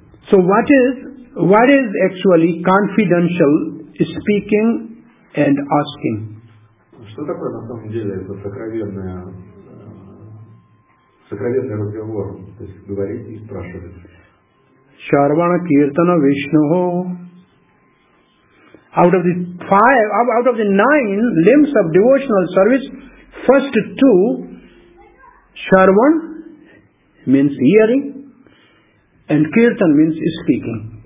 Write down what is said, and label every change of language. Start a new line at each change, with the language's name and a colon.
English: So what is actually confidential speaking and asking?
Russian: Что такое на самом деле это сокровенный разговор, то есть говорить и спрашивать?
Sanskrit: Шарвана Киртана Вишну.
English: Out of the nine limbs of devotional service, first two, Sharvan means hearing and Kirtan means speaking.